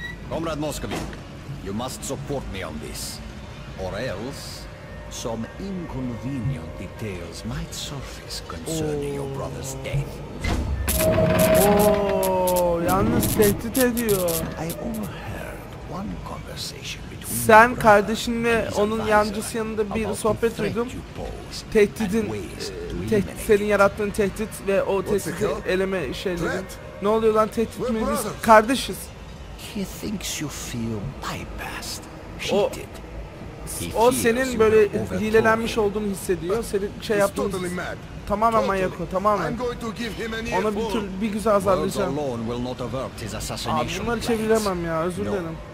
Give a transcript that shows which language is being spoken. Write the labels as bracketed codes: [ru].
[en] Comrade Moskovic, you must support me on this. Or else, some inconvenient details might surface concerning your brother's death. [tr] Yalnız tehdit ediyor. [en] I overheard one conversation between. [tr] Sen kardeşinle onun yancısı yanında bir sohbet duydum. Tehdidin, senin yarattığın tehdit ve o tehdidi eleme şeyleri. Ne oluyor lan, tehdit mi? Biz kardeşiz. [en] He thinks you feel bypassed, cheated. [tr] O senin böyle hilelenmiş olduğunu hissediyor. Senin şey yaptığın. Tamamen manyak o, tamamen. Ona bir güzel azarlayacağım. Abi bunları çeviremem ya, özür dilerim.